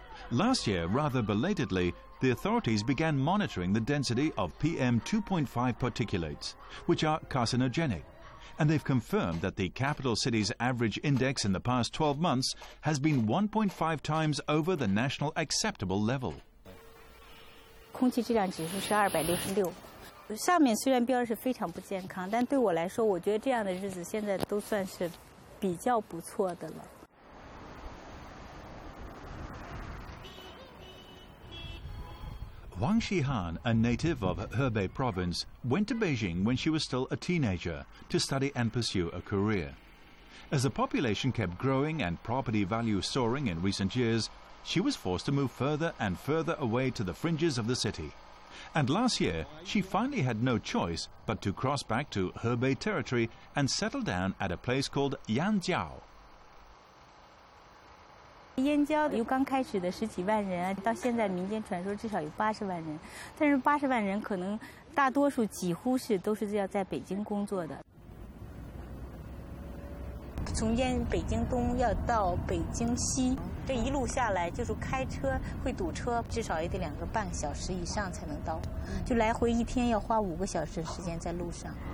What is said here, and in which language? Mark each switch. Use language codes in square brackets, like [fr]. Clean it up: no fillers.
[en] Last year, rather belatedly, the authorities began monitoring the density of PM2.5 particulates, which are carcinogenic, and they've confirmed that the capital city's average index in the past 12 months has been 1.5 times over the national acceptable level. [zh] 空气质量指数是266。下面虽然标是非常不健康，但对我来说，我觉得这样的日子现在都算是比较不错的了。 [en] Wang Shihan, a native of Hebei province, went to Beijing when she was still a teenager to study and pursue a career. As the population kept growing and property value soaring in recent years, she was forced to move further and further away to the fringes of the city. And last year, she finally had no choice but to cross back to Hebei territory and settle down at a place called Yanjiao. [zh] Yanjiao 由刚开始的十几万人，到现在民间传说至少有80万人，但是80万人可能大多数几乎是都是要在北京工作的。从北京东要到北京西，这一路下来就是开车会堵车，至少也得2个半小时以上才能到，就来回一天要花5个小时时间在路上。